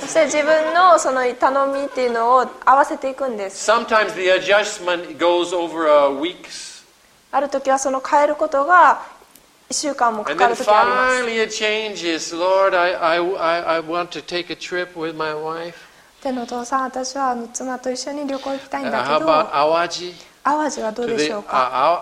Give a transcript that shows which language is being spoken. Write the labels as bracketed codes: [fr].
[ja] そして自分のその頼みっていうのを合わせていくんです。 [en] Sometimes the adjustment goes over a week's. [ja] ある時はその変えることが1週間もかかる時あります。 [en] And then finally it changes. Lord, I want to take a trip with my wife. [ja] 天のお父さん、私は妻と一緒に旅行行きたいんだけど、淡路はどうでしょうか。